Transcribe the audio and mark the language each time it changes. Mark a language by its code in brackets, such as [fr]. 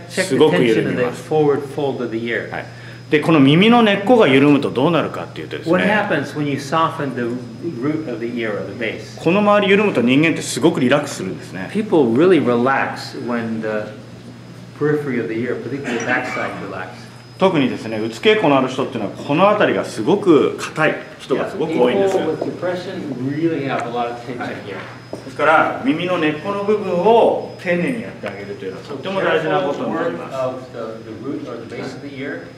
[ja] すごく緩みます。はい、でこの耳の根っこが緩むとどうなるかっていうとですね、 [en] What happens when you soften the root of the ear or the base? [ja] この周り緩むと人間ってすごくリラックスするんですね。 [en] People really relax when the periphery of the ear, particularly the backside, relax. [ja] 特にですね、うつ傾向のある人っていうのはこの辺りがすごく硬い人がすごく多いんですよ。 [en] People with depression really have a lot of tension here. [ja] ですから耳の根っこの部分を丁寧にやってあげるというのはとても大事なことになります。 [en] The root or the base of the ear.